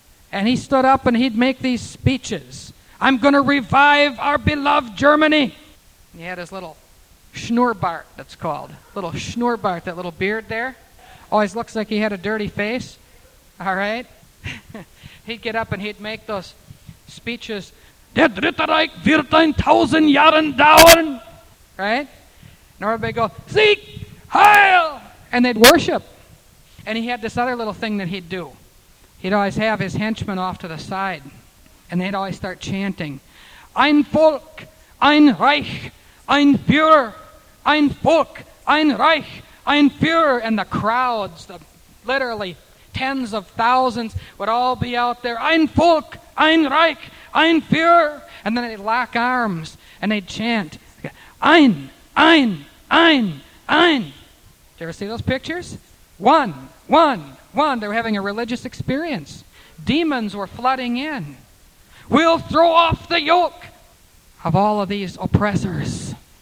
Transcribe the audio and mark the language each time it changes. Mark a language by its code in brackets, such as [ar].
[en] And he stood up and he'd make these speeches. I'm going to revive our beloved Germany. And he had his little Schnurrbart, that's called. Little Schnurrbart, that little beard there. Always looks like he had a dirty face. All right. He'd get up and he'd make those speeches. [de] Der Dritte Reich wird 1,000 Jahren dauern. [en] Right? And everybody go, Sieg! Heil! And they'd worship. And he had this other little thing that he'd do. He'd always have his henchmen off to the side. And they'd always start chanting. [de] Ein Volk, ein Reich, ein Führer. Ein Volk, ein Reich, ein Führer. [en] And the crowds, the literally tens of thousands, would all be out there. [de] Ein Volk, ein Reich, ein Führer. [en] And then they'd lock arms and they'd chant. Ein, ein, ein. Ein. Did you ever see those pictures? One, one, one. They were having a religious experience. Demons were flooding in. We'll throw off the yoke of all of these oppressors.